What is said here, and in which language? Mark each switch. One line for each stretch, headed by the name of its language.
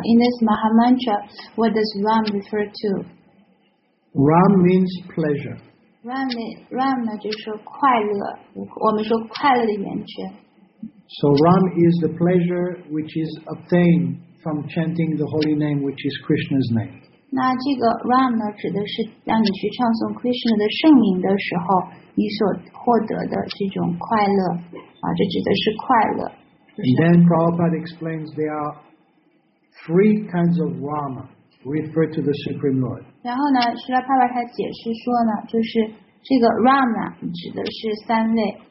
English: In this Maha Mantra, what does Ram refer to? Ram means pleasure.
Chinese: Ram 呢就是快乐，我们说快乐的源泉。
English: So Ram is the pleasure which is obtained from chanting the holy name, which is Krishna's name.
Chinese: 那这个 Ram 呢，指的是让你去唱诵 Krishna 的圣名的时候，你所获得的这种快乐，这指的是快乐。
English: And then Prabhupada explains there are three kinds of Rama refer to the Supreme Lord.
Chinese: 然后呢，释迦帕瓦他解释说呢，就是这个 Ram 呢，指的是三位。